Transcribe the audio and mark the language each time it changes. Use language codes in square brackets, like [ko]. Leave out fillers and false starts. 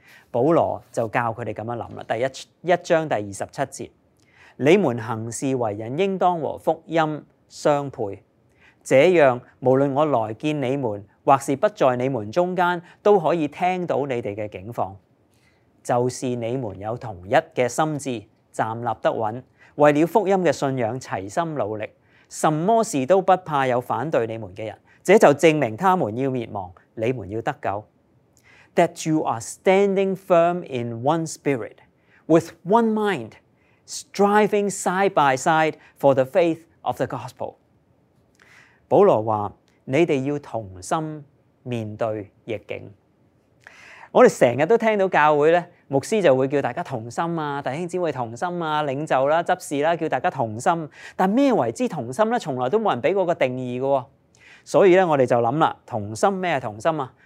[zh] 保罗就教他们这样想了，第一章第27节，你们行事为人应当和福音相配，这样无论我来见你们或是不在你们中间，都可以听到你们的境况，就是你们有同一的心智，站立得稳，为了福音的信仰齐心努力，什么事都不怕有反对你们的人，这就证明他们要灭亡，你们要得救。 [en] That you are standing firm in one spirit, with one mind, striving side by side for the faith of the gospel. [zh] 保罗说，你们要同心面对逆境。我们成日都听到教会呢，牧师就会叫大家同心啊，弟兄姊妹同心啊，领袖啦，执事啦，叫大家同心。但什么为之同心呢？从来都没人给过个定义的。所以呢，我们就想了，同心什么是同心啊？